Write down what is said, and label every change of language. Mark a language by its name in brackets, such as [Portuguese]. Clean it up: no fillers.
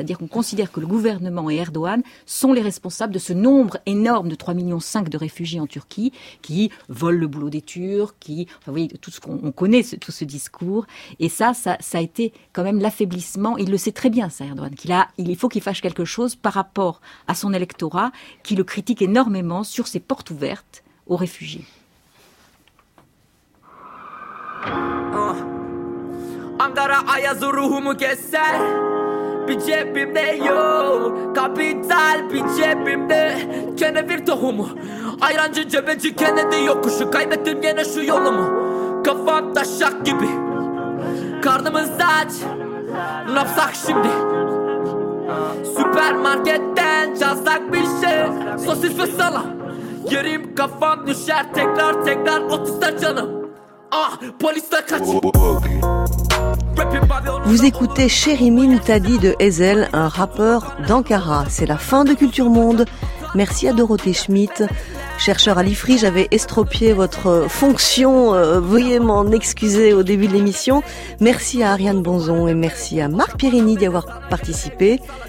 [French] C'est-à-dire qu'on considère que le gouvernement et Erdogan sont les responsables de ce nombre énorme de 3,5 millions de réfugiés en Turquie qui volent le boulot des Turcs, tout ce qu'on connaît, tout ce discours. Et ça a été quand même l'affaiblissement. Il le sait très bien, ça, Erdogan. Il faut qu'il fasse quelque chose par rapport à son électorat qui le critique énormément sur ses portes ouvertes aux réfugiés. [Turkish] Am dara ayazı ruhumu keser Bir cebimde yok Kapital bir cebimde Kenevir tohumu Ayrancı cebeci kenedi yokuşu Kaybettim gene şu yolumu Kafam taşak gibi Karnımız aç Napsak şimdi Süpermarketten çalsak bir şey Sosis ve salam Yerim kafam düşer tekrar 30'lar canım Ah polisle kaç [French] Vous écoutez Chérimi Moutadi de Ezel, un rappeur d'Ankara. C'est la fin de Culture Monde. Merci à Dorothée Schmidt, chercheur à l'IFRI. J'avais estropié votre fonction, veuillez m'en excuser au début de l'émission. Merci à Ariane Bonzon et merci à Marc Pierini d'y avoir participé.